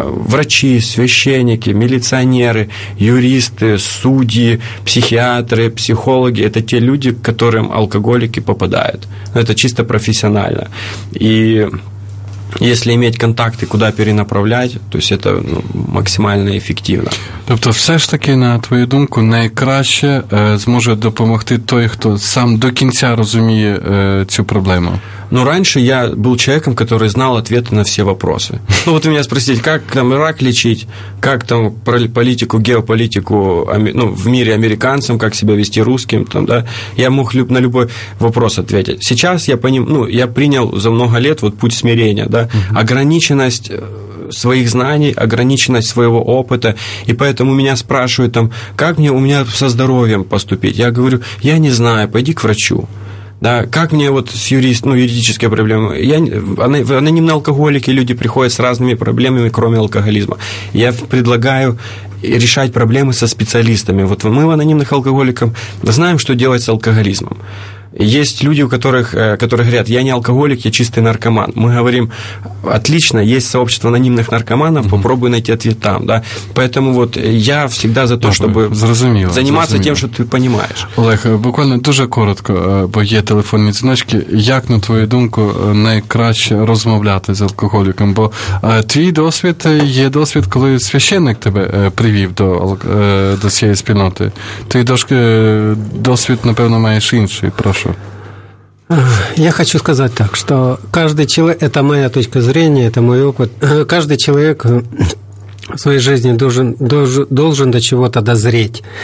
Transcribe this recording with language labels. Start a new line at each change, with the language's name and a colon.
Russian: врачи, священники, милиционеры, юристы, судьи, психиатры, психологи, это те люди, к которым алкоголики попадают, ну, это чисто профессионально, и... Если иметь контакты, куда перенаправлять, то есть это ну, максимально эффективно.
Ukrainian: Тобто все ж таки, на твою думку, найкраще зможе допомогти той, хто сам до кінця розуміє цю проблему.
Russian: Ну, раньше я был человеком, который знал ответы на все вопросы. Ну, вот у меня спросить, как там рак лечить, как там про политику, геополитику ну, в мире американцам, как себя вести русским, там, да, я мог на любой вопрос ответить. Сейчас я понимаю, ну, я принял за много лет вот путь смирения, да, ограниченность своих знаний, ограниченность своего опыта, и поэтому меня спрашивают там, как мне у меня со здоровьем поступить? Я говорю, я не знаю, пойди к врачу. Да, как мне вот с юрист, ну, юридические проблемы? Анонимные алкоголики, люди приходят с разными проблемами, кроме алкоголизма. Я предлагаю решать проблемы со специалистами. Вот мы в анонимных алкоголиках знаем, что делать с алкоголизмом. Есть люди, у которых, которые говорят, я не алкоголик, я чистый наркоман. Мы говорим, отлично, есть сообщество анонимных наркоманов, попробуй найти ответ там. Да? Поэтому вот я всегда за то, чтобы заниматься тем, что ты понимаешь.
Ukrainian: Олег, буквально дуже коротко, бо є телефонні дзвіночки. Як, на твою думку, найкраще розмовляти з алкоголіком? Бо твій досвід є досвід, коли священник тебе привів до цієї спільноти. Ти досвід, напевно, маєш інший, прошу.
Russian: Я хочу сказать так, что каждый человек, это моя точка зрения, это мой опыт, каждый человек в своей жизни должен до чего-то дозреть.